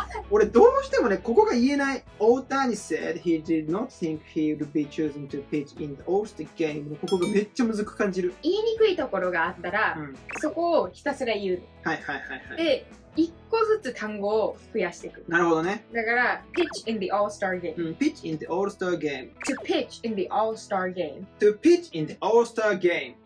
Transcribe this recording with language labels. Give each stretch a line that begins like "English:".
Japanese: 俺どうしてもね、ここが言えない。
English: Otani said he did not think he would be chosen to pitch in the All-Star game.
Japanese: ここがめっちゃむずく感じる。言いにくいところがあったら、うん、そこをひたすら言う。はいはいはいはい。で、一個ずつ単語を増やしていく。なるほどね。だから、
English: pitch in the All-Star game。うん、pitch in the All-Star game。 to pitch in the All-Star game。 to pitch in the All-Star game。